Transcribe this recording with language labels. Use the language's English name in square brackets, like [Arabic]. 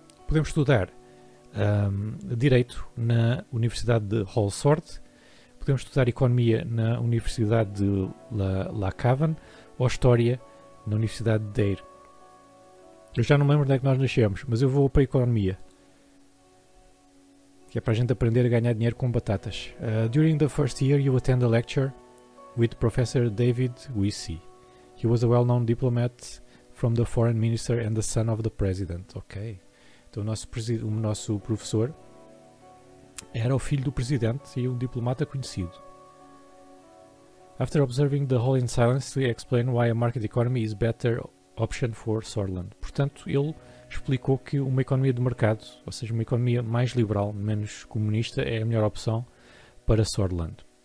[Portuguese] Podemos estudar Direito na Universidade de Holsort, podemos estudar Economia na Universidade de La Cavan ou História na Universidade de Deir. Eu já não me lembro onde é que nós nascemos, mas eu vou para a Economia, que é para a gente aprender a ganhar dinheiro com batatas. [English] During the first year you attend a lecture with Professor David Wiese. He was a well-known diplomat from the foreign minister and the son of the president. Ok. [Portuguese] Então, o nosso professor era o filho do presidente e um diplomata conhecido. [English] After observing the hall in silence, he explained why a market economy is better option for Swordland. [Portuguese] Portanto, ele explicou que uma economia de mercado, ou seja, uma economia mais liberal, menos comunista, é a melhor opção para Sordland.